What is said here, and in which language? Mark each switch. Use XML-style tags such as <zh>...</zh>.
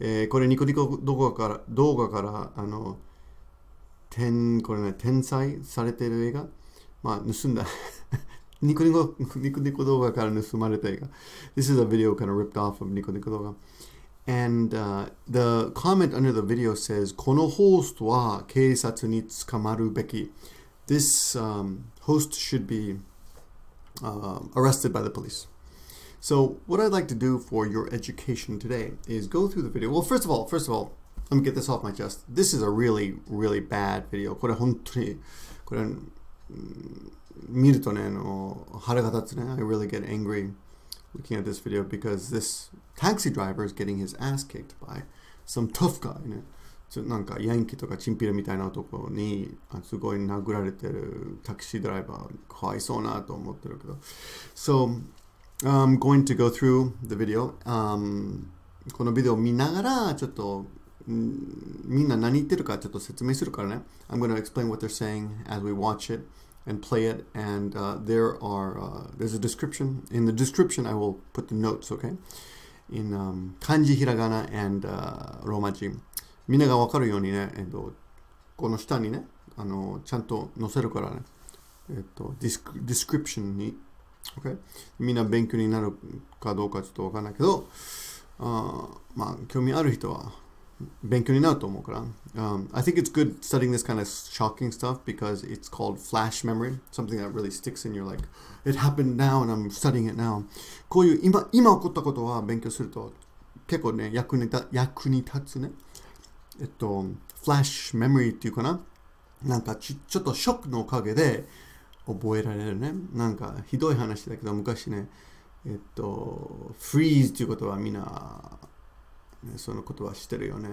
<ja>これニコニコ動画からあの天これね天才されてる映画まあ盗んだニコニコ動画から盗まれた映画</ja> <en>This is a video kind of ripped off of ニコニコ動画 and the comment under the video says</en> <ja>このホストは警察に捕まるべき</ja> <en>This host should be arrested by the police. So what I'd like to do for your education today is go through the video. Well, first of all, let me get this off my chest. This is a really, really bad video.</en> <ja>これ本当に、これ見るとね、腹が立つね。</ja> <en>I really get angry looking at this video because this taxi driver is getting his ass kicked by some tough guy.</en> <ja>ね、そなんかヤンキーとかチンピラみたいな男にすごい殴られてるタクシードライバー、かわいそうなと思ってるけど。</ja> <en>So,I'm going to go through the video.</en> <ja>このビデオを見ながら、ちょっとみんな何言ってるかちょっと説明するからね。</ja> <en>I'm going to explain what they're saying as we watch it and play it. And there's a description. In the description, I will put the notes, okay? In 漢字ひらがな and ローマ字。</en> <ja>みんながわかるようにね、この下にね、ちゃんと載せるからね。</ja> <en>Description に。Okay.</en> <ja>みんな勉強になるかどうかちょっとわからないけど、まあ興味ある人は勉強になると思うから。</ja> <en>I think it's good studying this kind of shocking stuff because it's called flash memory, something that really sticks in your like, it happened now and I'm studying it now.</en> <ja>こういう今起こったことは勉強すると結構ね役に立つね。 flash memory っていうかな。なんかちょっとショックのおかげで。覚えられるね。なんかひどい話だけど昔ね、フリーズという言葉はみんな、ね、その言葉知ってるよね。</ja>